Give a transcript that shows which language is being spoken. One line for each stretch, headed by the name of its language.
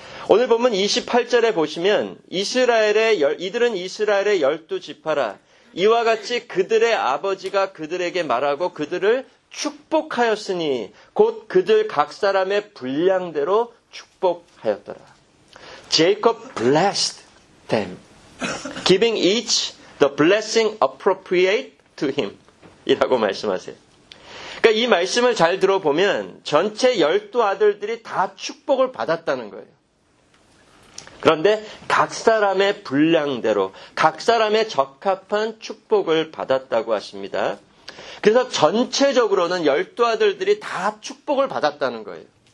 Korean: 오늘 보면 28절에 보시면 이들은 이스라엘의 열두 지파라. 이와 같이 그들의 아버지가 그들에게 말하고 그들을 축복하였으니 곧 그들 각 사람의 분량대로 축복하였더라.
English: Jacob blessed them, giving each the blessing appropriate to him.
Korean: 이라고 말씀하세요. 그러니까 이 말씀을 잘 들어보면 전체 열두 아들들이 다 축복을 받았다는 거예요. 그런데 각 사람의 분량대로 각 사람의 적합한 축복을 받았다고 하십니다. 그래서 전체적으로는 열두 아들들이 다 축복을 받았다는 거예요.